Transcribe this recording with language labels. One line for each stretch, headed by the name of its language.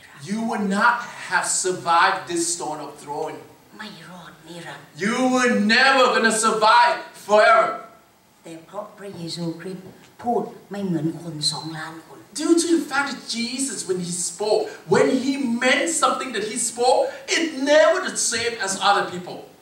English: You would not have survived this stone of throwing.
Thai: ไม่รอดนิรันดร์
English: You were never gonna survive forever.
Thai: แต่เพราะพระเยซูคริสต์พูดไม่เหมือนคน2ล้านคน
English: Due to the fact that Jesus, when he spoke, when he meant something that he spoke, it never the same as other people.